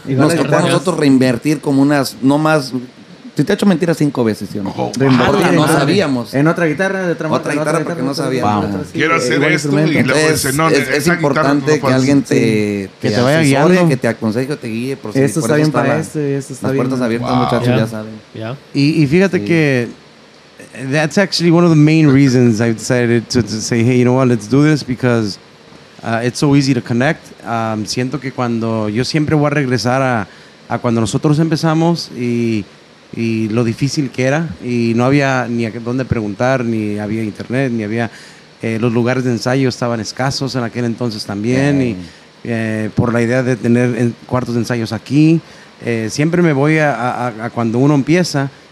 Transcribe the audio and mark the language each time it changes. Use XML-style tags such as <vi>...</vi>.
<es>Entonces, nos tocó a nosotros reinvertir como unas, no más. Si te he hecho mentira 5 veces, ¿sí o no? Porque no sabíamos. En otra guitarra, de otra otra guitarra, porque no sabíamos. Quiero hacer esto y luego dice, no, es importante que alguien te vaya guiando, que te aconseje, te guíe. Por si eso está bien para este, eso está las bien. Las puertas abiertas, muchachos, ya saben. Y fíjate que...</es> <en>That's actually one of the main reasons I decided to say, hey, you know what, let's do this, because it's so easy to connect.</en> <es>Siento que cuando yo siempre voy a regresar a cuando nosotros empezamos y lo difícil que era, y no había ni a dónde preguntar, ni había internet, ni había los lugares de ensayo estaban escasos en aquel entonces también. Y por la idea de tener cuartos de ensayos aquí, siempre me voy a cuando uno empieza.</es>